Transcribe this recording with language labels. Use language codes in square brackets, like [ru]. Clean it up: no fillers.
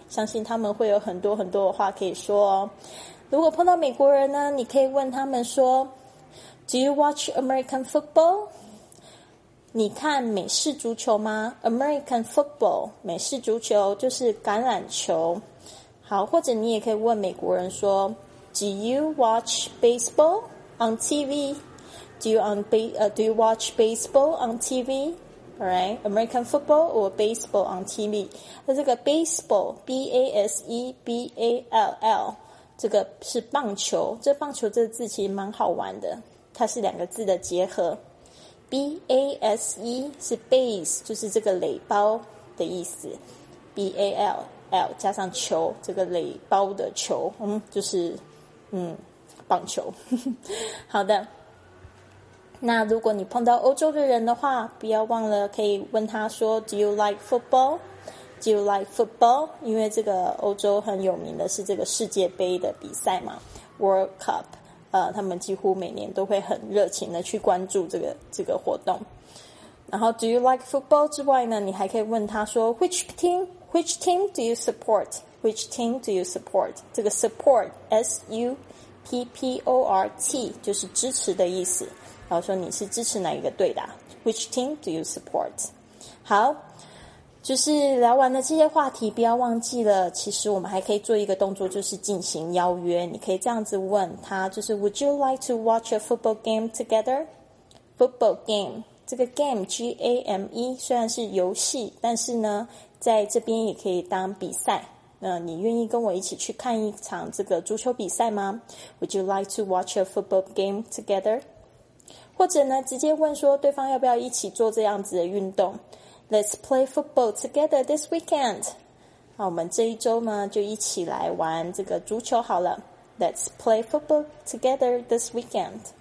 [zh] 相信他们会有很多很多的话可以说哦。如果碰到美国人呢，你可以问他们说 [en] Do you watch American football? [zh] 你看美式足球吗？ American football, 美式足球就是橄榄球。好，或者你也可以问美国人说 [en] Do you watch baseball on TV? Do you watch baseball on TV? Alright, American football or baseball on TV? [zh] 那这个 baseball, B-A-S-E-B-A-L-L, 这个是棒球，这棒球这个字其实蛮好玩的。它是两个字的结合， B-A-S-E 是 base, 就是这个垒包的意思， B-A-L-L 加上球，这个垒包的球，就是棒球。好的，那如果你碰到欧洲的人的话，不要忘了可以问他说 [en] Do you like football? Do you like football? [zh] 因为这个欧洲很有名的是这个世界杯的比赛嘛， World Cup， 他们几乎每年都会很热情的去关注这个活动。然后 [en] Do you like football [zh] 之外呢，你还可以问他说 [en] Which team do you support? Which team do you support? [zh] 这个 support S-U-P-P-O-R-T 就是支持的意思，然后说你是支持哪一个队的， [en] Which team do you support? [zh] 好，就是聊完了这些话题，不要忘记了，其实我们还可以做一个动作，就是进行邀约。你可以这样子问他，就是 [en] Would you like to watch a football game together? [zh] Football game，这个 game G-A-M-E 虽然是游戏，但是呢在这边也可以当比赛，那你愿意跟我一起去看一场这个足球比赛吗？ [en] Would you like to watch a football game together? [zh] 或者呢直接问说对方要不要一起做这样子的运动， [en] Let's play football together this weekend。 [zh] 好，我们这一周呢就一起来玩这个足球好了， [en] Let's play football together this weekend。